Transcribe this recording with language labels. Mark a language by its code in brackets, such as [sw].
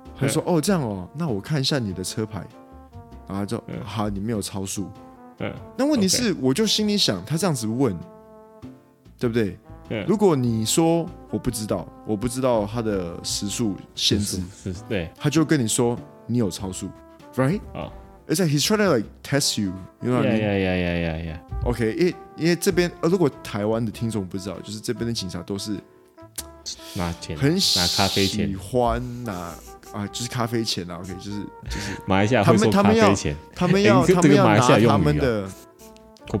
[zh] 他说：“哦，这样哦，那我看一下你的车牌。” 然后就、嗯、好，你没有超速。嗯、那问题是、 [en] okay ， [zh] 我就心里想，他这样子问，对不对？嗯、如果你说我不知道他的时速限制，对，他就跟你说你有超速 ， [en] right？ [zh] 啊、 [en] 哦、，It's like he's trying to like test you， you know what I mean？ Yeah, yeah, yeah, yeah, yeah. [zh] OK， 因为这边、如果台湾的听众不知道，就是这边的警察都是拿钱，很拿咖啡钱，喜欢拿。啊，就是咖啡钱啦 ，OK， 就是马来西亚会说咖啡钱，他们要拿他们的用